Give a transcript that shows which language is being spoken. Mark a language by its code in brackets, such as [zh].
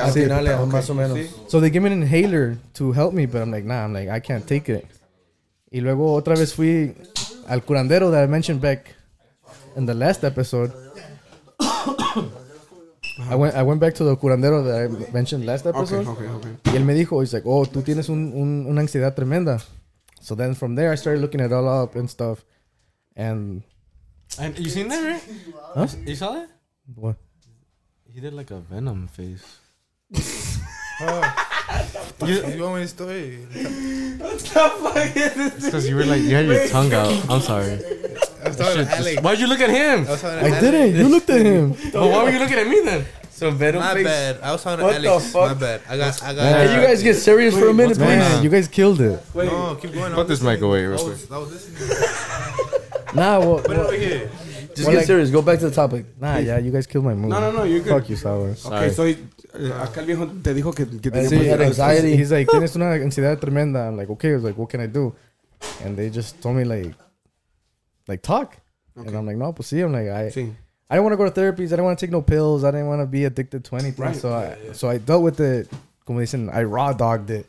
[es] Atinarle, más o menos. [en] So they gave me an inhaler to help me, but I'm like, nah, I'm like, I can't take it. [es] Y luego otra vez fui al curandero [en] that I mentioned back in the last episode. I went back to the curandero that I mentioned last episode. Okay. [es] Y él me dijo, [en] he's like, oh, [es] tú tienes una ansiedad tremenda. [en] So then from there, I started looking it all up and stuff. And you seen that, right? Huh? You saw that? What? He did like a Venom face. You want me to story? Because you were like, you had your tongue out. I'm sorry. Why'd you look at him? I didn't. You looked at him. But why were you looking at me then? So Venom face. My bad. I was talking to Alex. My bad. I got. Can you guys get serious for a minute, please? You guys killed it. Wait, no, keep going. Put this mic away. I was listening. Nah, what? Put it over here. Just get serious. Go back to the topic. Nah, please. Yeah, you guys killed my mood. No, you're good. Fuck you, Sour. [es] Okay, so acá el viejo te dijo que tenía ansiedad. Anxiety. He's like, tienes una ansiedad tremenda. [en] I'm like, okay. I was like, what can I do? And they just told me like talk. Okay. And I'm like, [es] no, pues sí. [en] I'm like, I didn't want to go to therapies. I didn't want to take no pills. I didn't want to be addicted to anything. Right. So I dealt with it. [es] Como dicen, [en] I raw dogged it.